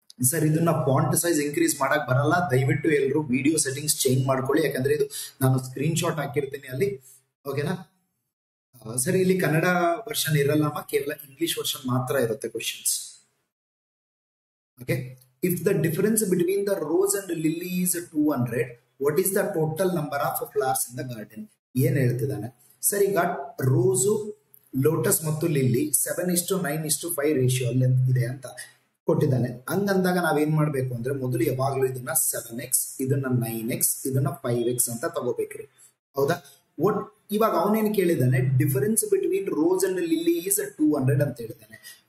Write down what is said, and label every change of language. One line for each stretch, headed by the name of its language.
Kannada: Sir ಇದನ್ನ font size increase ಮಾಡಕ್ ಬರಲ್ಲ ದಯವಿಟ್ಟು ಎಲ್ಲರೂ ವಿಡಿಯೋ ಸೆಟ್ಟಿಂಗ್ಸ್ ಚೇಂಜ್ ಮಾಡ್ಕೊಳ್ಳಿ ಯಾಕಂದ್ರೆ ಇದು ನಾನು ಸ್ಕ್ರೀನ್ ಶಾಟ್ ಹಾಕಿರ್ತೀನಿ ಅಲ್ಲಿ ಓಕೆನಾ ಸರ್ ಇಲ್ಲಿ ಕನ್ನಡ ವರ್ಷನ್ ಇರಲ್ಲಮ್ಮ ಕೇವಲ ಇಂಗ್ಲಿಷ್ ವರ್ಷನ್ ಮಾತ್ರ ಇರುತ್ತೆ questions okay
English: if the difference between the rose and the lily is 200, what is the total number of flowers in the garden?
Kannada: ಏನ್ ಹೇಳ್ತಿದ್ದಾನೆ? ಸರಿ, ಗಾಟ್ ರೋಸ್, ಲೋಟಸ್ ಮತ್ತು ಲಿಲ್ಲಿ 7:9:5 ರೇಷಿಯೋ ಅಲ್ಲಿ ಇದೆ ಅಂತ ಕೊಟ್ಟಿದ್ದಾನೆ. ಹಂಗಂದಾಗ ನಾವೇನ್ ಮಾಡ್ಬೇಕು ಅಂದ್ರೆ, ಮೊದಲು ಯಾವಾಗ್ಲೂ ಇದನ್ನ 7x, ಇದನ್ನ 9x, ಇದನ್ನ 5x ಅಂತ ತಗೋಬೇಕ್ರಿ. ಹೌದಾ? ಒಟ್ ಇವಾಗ ಅವನೇನ್ ಕೇಳಿದಾನೆ,
English: difference between rose and lily is 200
Kannada: ಅಂತ ಹೇಳಿದಾನೆ.